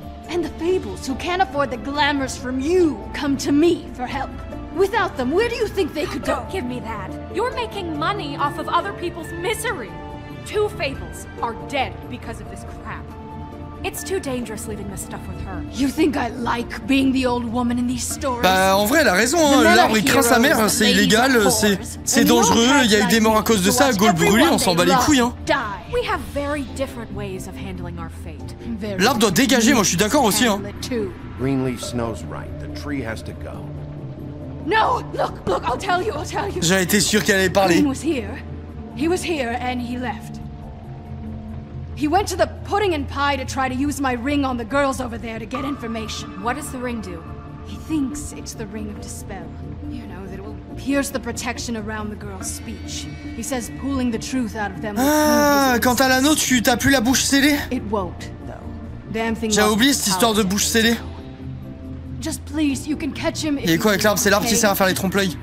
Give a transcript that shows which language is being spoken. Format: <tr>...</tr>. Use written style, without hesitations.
<en>And the fables who can't afford the glamours from you come to me for help. Without them, where do you think they could go? Don't give me that. You're making money off of other people's misery. Two fables are dead because of this crap. It's too dangerous leaving this stuff with her. You think I like being the old woman in these stories?</en> <fr>Bah, en vrai, elle a raison. Hein. L'arbre, il craint sa mère, c'est illégal, c'est dangereux, il y a eu des morts à cause de ça, Gaulle brûlé, on s'en bat les couilles.</fr> <en>We have very different ways of handling our fate.</en> <fr>L'arbre doit dégager, moi je suis d'accord aussi. Hein.</fr> <en>Greenleaf Snow's right, the tree has to go. No, look, look, I'll tell you.</en> <fr>J'en étais sûr qu'elle allait parler.</fr> <en>He was here and he left. He went to the pudding and pie to try to use my ring on the girls over there to get information. What does the ring do? He thinks it's the ring of dispel. You know, that it will pierce the protection around the girl's speech. He says pulling the truth out of them...</en> <fr>Quant à l'anneau, tu t'as plus la bouche scellée?</fr> <en>It won't, though. Damn thing.</en> <fr>J'ai oublié cette histoire de bouche scellée.</fr> <en>Just please, you can catch him if</en> <fr>Et quoi avec l'arbre? C'est l'arbre qui sert à faire les trompe-l'œil.</fr>